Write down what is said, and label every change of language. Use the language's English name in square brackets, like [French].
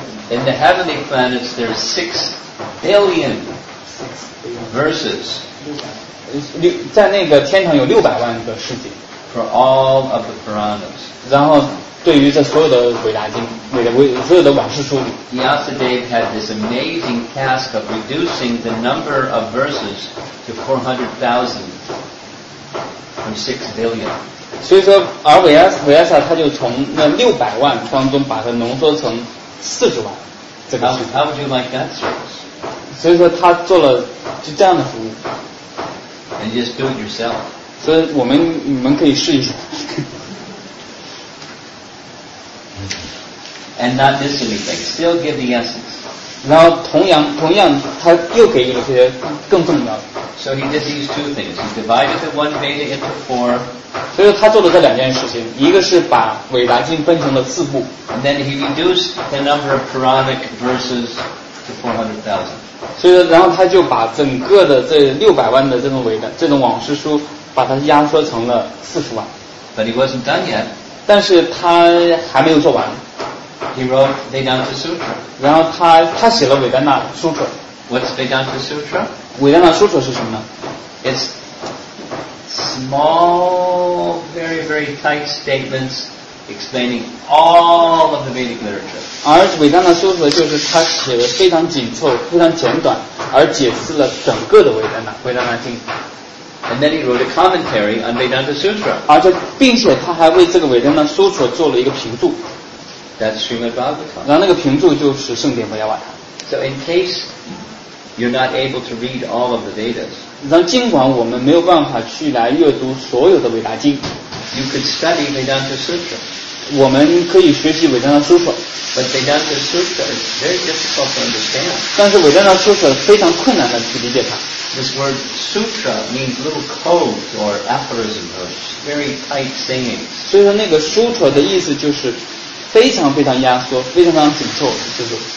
[English] In the heavenly planets, there are 6 billion verses. [Chinese] 在那个天堂有600万个诗节。 [English] For all of the Puranas. [Chinese] 然后对于这所有的伟达经，所有的往事书。 [English] Vyasadeva had this amazing task of reducing the number of verses to 400,000 from 6 billion. [Chinese] 所以说而维亚萨他就从那六百万当中把它浓缩成四十万这个 [English] 事 How would you like that service? [Chinese] 所以说他做了就这样的服务 [English] And just do it yourself [Chinese] 所以你们可以试一下 [English] And not miss anything still give the essence [Chinese] 然后同样他又给予了这些更重要的 [English] So he did these two things He divided the one Veda into four [Chinese] 所以他做了这两件事情一个是把伟达经分成了四部 [English] and then he reduced the number of Puranic verses to 400,000 [Chinese] 所以说然后他就把整个的这六百万的这种伟达这种往事书把它压缩成了四十万 [English] but he wasn't done yet [Chinese] 但是他还没有做完 [English] he wrote Vedanta Sutra [Chinese] 然后他写了伟达那书册 [English] what's Vedanta Sutra? [Chinese] 伟达那书册是什么呢 [English] it'sSmall, very, very tight statements explaining all of the Vedic literature. [Chinese] 而伟大的书则就是他写的非常紧凑，非常简短，而解释了整个的维达纳经。 [English] And then he wrote a commentary on Vedanta Sutra. [Chinese] 而且，并且他还为这个维达纳书则做了一个评注。 [English] That's Srimad Bhagavatam. [Chinese] 然后那个评注就是圣典维达瓦坦。 [English] So in case you're not able to read all of the Vedas. [Chinese] 然后尽管我们没有办法去来阅读所有的伟达经 [English] You could study Vedanta Sutra [Chinese] 我们可以学习伟达纳书册 [English] But Vedanta Sutra is very difficult to understand [Chinese] 但是伟达纳书册非常困难的去理解它 [English] This word Sutra means little codes or aphorisms or very tight sayings [Chinese] 所以说那个书册的意思就是非常非常压缩非常非常紧凑就是